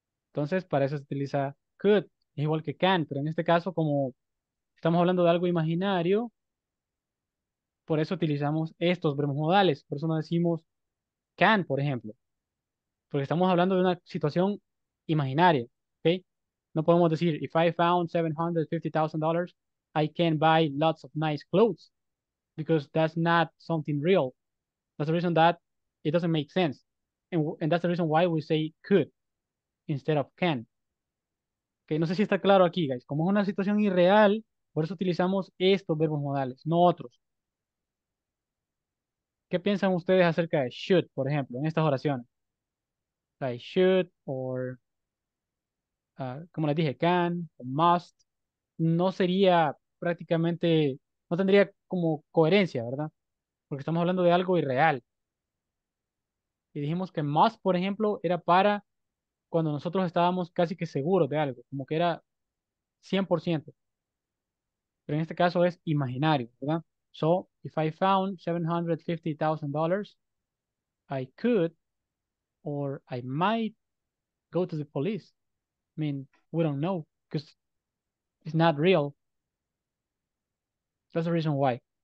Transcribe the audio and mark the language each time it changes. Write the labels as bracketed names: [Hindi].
[Spanish] Entonces, para eso se utiliza could, es igual que can, pero en este caso, como estamos hablando de algo imaginario, por eso utilizamos estos verbos modales, por eso no decimos can, por ejemplo, porque estamos hablando de una situación imaginaria, ¿ok? No podemos decir, [English] if I found $750,000, I can buy lots of nice clothes, because that's not something real. That's the reason that it doesn't make sense, and that's the reason why we say could instead of can. [Spanish] Okay, no sé si está claro aquí, guys. Como es una situación irreal, por eso utilizamos estos verbos modales, no otros. ¿Qué piensan ustedes acerca de should, por ejemplo, en estas oraciones? Like should, or, como les dije, can, must, no sería prácticamente, no tendría como coherencia, ¿verdad? Porque estamos hablando de algo irreal. Y dijimos que must, por ejemplo, era para cuando nosotros estábamos casi que seguros de algo, como que era 100%. Pero en este caso es imaginario, ¿verdad? [English] So, if I found $750,000, I could or I might go to the police. I mean, we don't know because it's not real. That's the reason why.